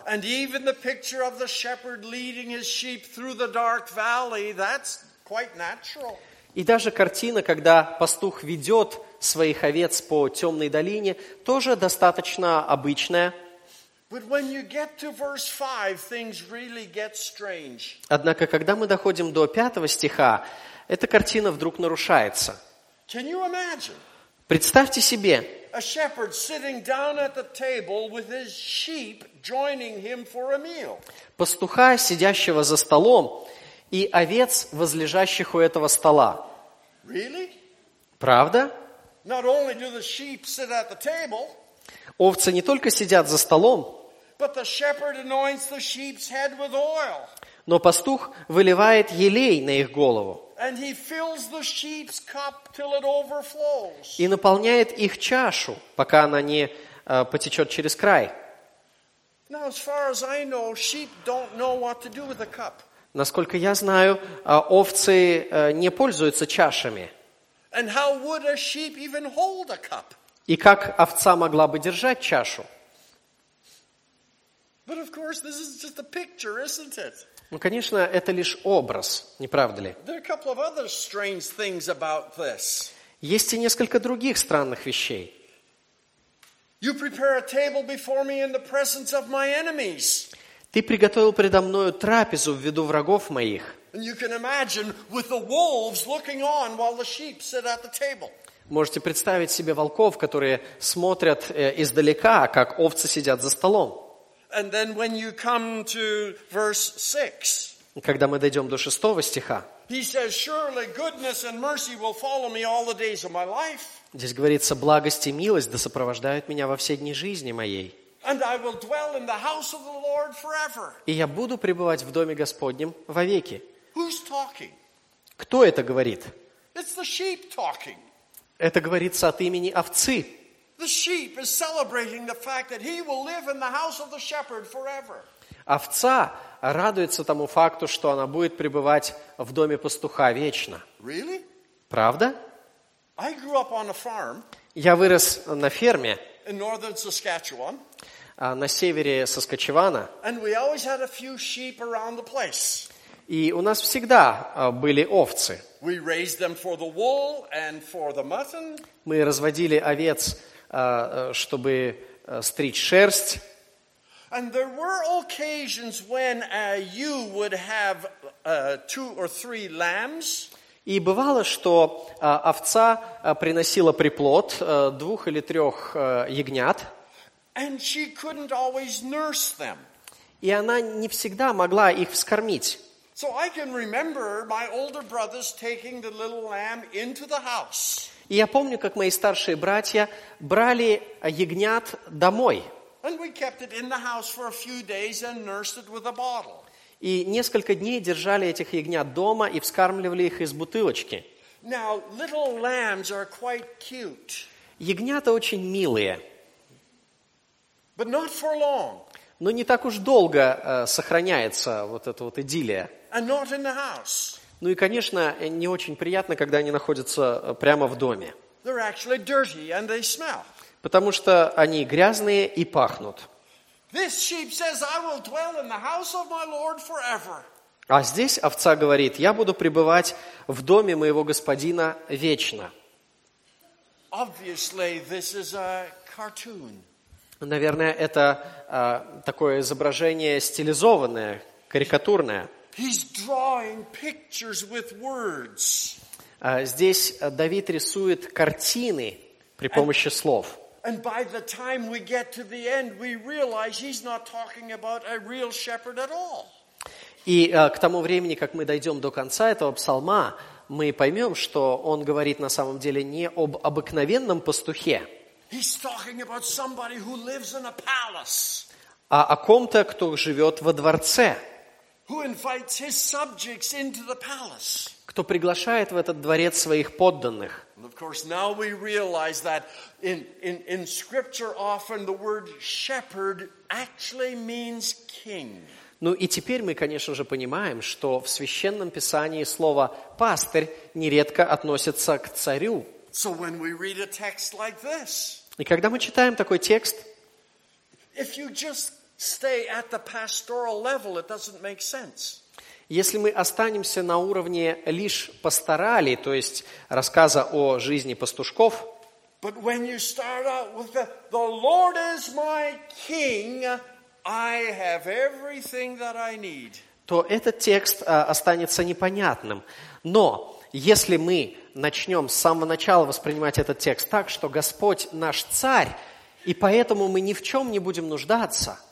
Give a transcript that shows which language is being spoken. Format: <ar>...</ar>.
<en>And even the picture of the shepherd leading his sheep through the dark valley, that's quite natural.</en> <ru>И даже картина, когда пастух ведет своих овец по темной долине, тоже достаточно обычная.</ru> <en>But when you get to verse 5, things really get strange.</en> <ru>Однако, когда мы доходим до 5 стиха, эта картина вдруг нарушается.</ru> <en>Can you imagine?</en> <ru>Представьте себе,</ru> <en>A shepherd sitting down at the table with his sheep joining him for a meal.</en> <ru>Пастуха, сидящего за столом, и овец, возлежащих у этого стола.</ru> <en>Really?</en> <ru>Правда?</ru> <en>Not only do the sheep sit at the table,</en> <ru>овцы не только сидят за столом,</ru> <en>but the shepherd anoints the sheep's head with oil.</en> <ru>Но пастух выливает елей на их голову.</ru> <en>And he fills the sheep's cup till it overflows.</en> <ru>И наполняет их чашу, пока она не потечет через край.</ru> <en>Now, as far as I know, sheep don't know what to do with the cup.</en> <ru>Насколько я знаю, овцы не пользуются чашами.</ru> <en>And how would a sheep even hold a cup?</en> <ru>И как овца могла бы держать чашу?</ru> <en>But of course, this is just a picture, isn't it?</en> <ru>Ну, конечно, это лишь образ, не правда ли?</ru> <en>There are a couple of other strange things about this.</en> <ru>Есть и несколько других странных вещей.</ru> <en>You prepare a table before me in the presence of my enemies.</en> <ru>Ты приготовил предо мною трапезу в виду врагов моих.</ru> <en>And you can imagine with the wolves looking on while the sheep sit at the table.</en> <ru>Можете представить себе волков, которые смотрят издалека, как овцы сидят за столом.</ru> <en>And then when you come to verse 6.</en> <ru>Когда мы дойдём до шестого стиха.</ru> <en>He says, surely goodness and mercy will follow me all the days of my life.</en> <ru>Здесь говорится, благость и милость да сопровождают меня во все дни жизни моей.</ru> <en>And I will dwell in the house of the Lord forever.</en> <ru>И я буду пребывать в доме Господнем вовеки.</ru> <en>Who's talking?</en> <ru>Кто это говорит?</ru> <en>It's the sheep talking.</en> <ru>Это говорится от имени овцы.</ru> <en>The sheep is celebrating the fact that he will live in the house of the shepherd forever.</en> <ru>Овца радуется тому факту, что она будет пребывать в доме пастуха вечно.</ru> <en>Really?</en> <ru>Правда?</ru> <en>I grew up on a farm.</en> <ru>Я вырос на ферме.</ru> <en>In northern Saskatchewan.</en> <ru>На севере Саскачевана.</ru> <en>And we always had a few sheep around the place.</en> <ru>И у нас всегда были овцы.</ru> <en>We raised them for the wool and for the mutton.</en> <ru>Мы разводили овец, чтобы стричь шерсть.</ru> <en>And there were occasions when you would have two or three lambs.</en> <ru>И бывало, что овца приносила приплод двух или трех ягнят.</ru> <en>And she couldn't always nurse them.</en> <ru>И она не всегда могла их вскормить.</ru> <en>So I can remember my older brothers taking the little lamb into the house.</en> <ru>И я помню, как мои старшие братья брали ягнят домой.</ru> <en>And we kept it in the house for a few days and nursed it with a bottle.</en> <ru>И несколько дней держали этих ягнят дома и вскармливали их из бутылочки.</ru> <en>Now, little lambs are quite cute.</en> <ru>Ягнята очень милые.</ru> <en>But not for long.</en> <ru>Но не так уж долго сохраняется вот эта вот идиллия.</ru> <en>And not in the house.</en> <ru>Ну и, конечно, не очень приятно, когда они находятся прямо в доме.</ru> <en>They're actually dirty and they smell.</en> <ru>Потому что они грязные и пахнут.</ru> <en>This sheep says, I will dwell in the house of my Lord forever.</en> <ru>А здесь овца говорит, я буду пребывать в доме моего господина вечно.</ru> <en>Obviously, this is a cartoon.</en> <ru>Наверное, это такое изображение стилизованное, карикатурное.</ru> <en>He's drawing pictures with words.</en> <ru>Здесь Давид рисует картины при помощи слов.</ru> <en>And by the time we get to the end, we realize he's not talking about a real shepherd at all.</en> <ru>И к тому времени, как мы дойдем до конца этого псалма, мы поймем, что он говорит на самом деле не об обыкновенном пастухе.</ru> <en>He's talking about somebody who lives in a palace.</en> <ru>А о ком-то, кто живет во дворце.</ru> <en>Who invites his subjects into the palace.</en> <ru>Кто приглашает в этот дворец своих подданных.</ru> <en>And of course, now we realize that in scripture often the word shepherd actually means king.</en> <ru>Ну и теперь мы, конечно же, понимаем, что в Священном Писании слово пастырь нередко относится к царю.</ru> <en>So when we read a text like this.</en> <ru>И когда мы читаем такой текст,</ru> <en>if you just stay at the pastoral level, it doesn't make sense.</en> <ru>Если мы останемся на уровне лишь пасторали, то есть рассказа о жизни пастушков,</ru> <en>but when you start out with the Lord is my king, I have everything that I need.</en> <ru>То этот текст останется непонятным. Но если мы начнем с самого начала воспринимать этот текст так, что Господь наш Царь, и поэтому мы ни в чем не будем нуждаться,</ru>